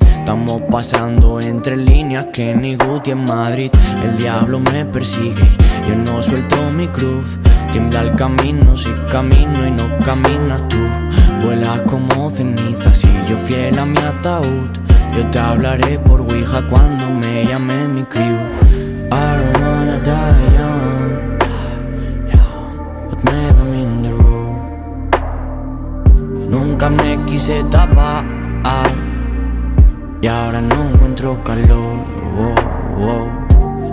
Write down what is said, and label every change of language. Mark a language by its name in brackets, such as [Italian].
[Spanish] Estamos pasando entre líneas que ni Guti en Madrid. El diablo me persigue, yo no suelto mi cruz. Tiembla el camino si camino y no caminas tú. Vuelas como cenizas y yo fiel a mi ataúd. Yo te hablaré por Ouija cuando me llame mi crew. [English] I don't wanna die young, but maybe I'm in the room. [Spanish] Nunca me quise tapar y ahora no encuentro calor, oh, oh.